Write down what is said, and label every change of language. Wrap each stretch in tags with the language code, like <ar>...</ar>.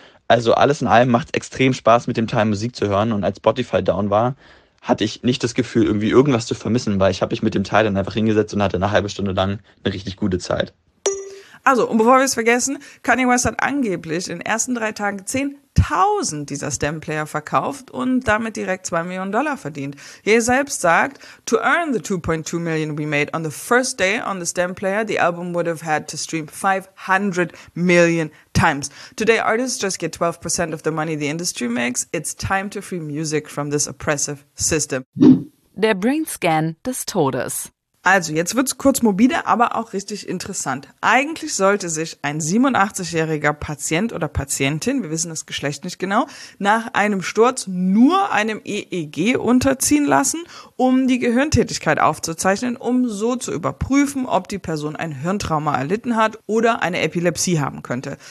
<de>Also alles in allem macht es extrem Spaß, mit dem Teil Musik zu hören. Und als Spotify down war, hatte ich nicht das Gefühl, irgendwie irgendwas zu vermissen, weil ich habe mich mit dem Teil dann einfach hingesetzt und hatte eine halbe Stunde lang eine richtig gute Zeit. Also, und bevor wir es vergessen, Kanye West hat angeblich in den ersten 3 Tagen 10.000 dieser Stemplayer verkauft und damit direkt $2 Millionen verdient.</de> <en>Ye</en> <de>selbst sagt,</de> <en>to earn the $2.2 million we made on the first day on the Stemplayer, the album would have had to stream 500 million times. Today artists just get 12% of the money the industry makes. It's time to free music from this oppressive system.</en> <de>Der Brainscan des Todes. Also, jetzt wird's kurz morbide, aber auch richtig interessant. Eigentlich sollte sich ein 87-jähriger Patient oder Patientin, wir wissen das Geschlecht nicht genau, nach einem Sturz nur einem EEG unterziehen lassen, um die Gehirntätigkeit aufzuzeichnen, um so zu überprüfen, ob die Person ein Hirntrauma erlitten hat oder eine Epilepsie haben könnte.</de>